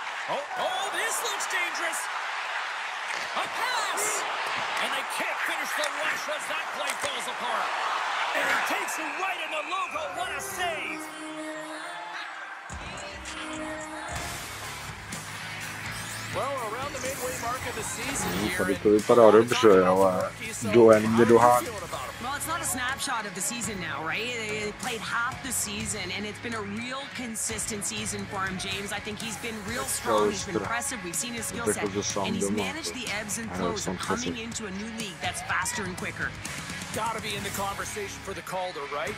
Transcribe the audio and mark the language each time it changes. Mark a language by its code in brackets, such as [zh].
[en] Oh, this looks dangerous! A pass! And they can't finish the rush as that play falls apart. And he takes it right in the logo. What a save! Well, around the midway mark of the season here... [cs] Tady to vypadá dobře, ale dojem mě dohání. [en] Well, it's not a snapshot of the season now, right? They played half the season, and it's been a real consistent season for him, James. I think he's been real strong, he's been impressive. We've seen his skill set, and he's managed the ebbs and flows of coming into a new league that's faster and quicker. Gotta be in the conversation for the Calder, right?